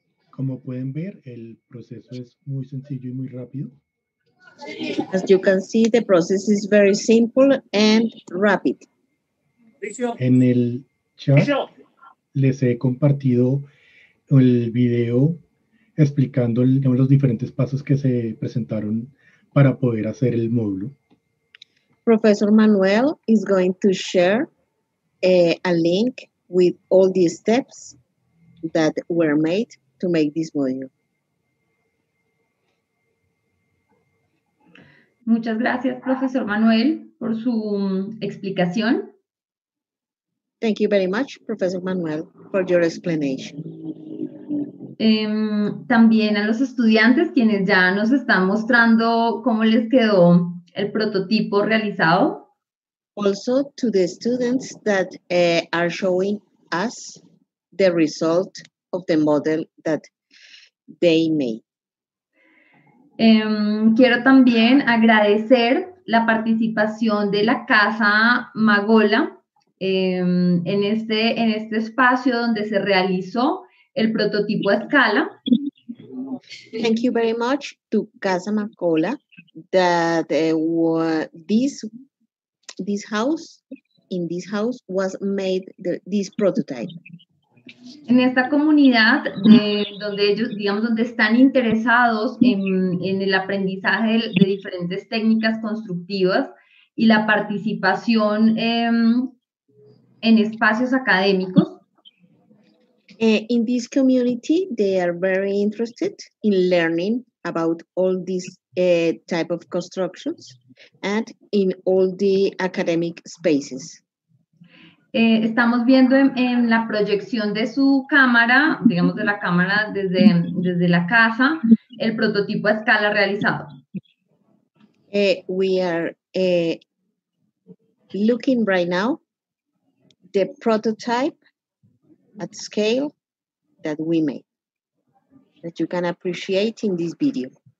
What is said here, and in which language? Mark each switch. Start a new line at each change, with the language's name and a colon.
Spanish: Como pueden ver, el proceso es muy sencillo y muy rápido.
English: As you can see, the process is very simple and rapid.
Spanish: En el chat les he compartido el video explicando los diferentes pasos que se presentaron para poder hacer el módulo.
English: Professor Manuel is going to share a link with all the steps that were made to make this module.
Spanish: Muchas gracias, profesor Manuel, por su explicación.
English: Thank you very much, Professor Manuel, for your explanation.
Spanish: También a los estudiantes, quienes ya nos están mostrando cómo les quedó el prototipo realizado.
English: Also to the students that are showing us the result of the model that they made.
Spanish: Quiero también agradecer la participación de la Casa Magola en este espacio donde se realizó el prototipo a escala.
English: Thank you very much to Casa Magola that this house was made this prototype.
Spanish: En esta comunidad donde ellos, digamos, donde están interesados en el aprendizaje de diferentes técnicas constructivas y la participación en espacios académicos.
English: In this community, they are very interested in learning about all these type of constructions and in all the academic spaces.
Spanish: Estamos viendo en la proyección de su cámara, digamos de la cámara desde la casa, el prototipo a escala realizado.
English: We are looking right now the prototype at scale that we made, that you can appreciate in this video.